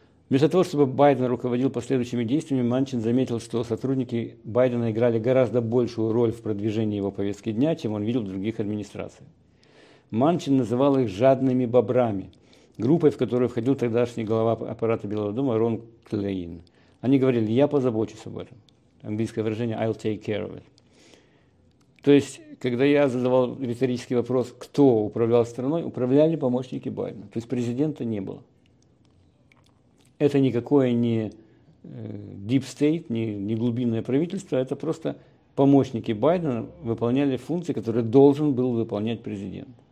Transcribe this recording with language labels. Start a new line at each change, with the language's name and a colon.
Russian: Вместо того, чтобы Байден руководил последующими действиями, Манчин заметил, что сотрудники Байдена играли гораздо большую роль в продвижении его повестки дня, чем он видел в других администрациях. Манчин называл их «жадными бобрами», группой, в которую входил тогдашний глава аппарата Белого дома Рон Клейн. Они говорили: «Я позабочусь об этом». Английское выражение
English: «I'll take care of it».
Russian: То есть, когда я задавал риторический вопрос, кто управлял страной, управляли помощники Байдена. То есть президента не было. Это никакое не deep state, не глубинное правительство, это просто помощники Байдена выполняли функции, которые должен был выполнять президент.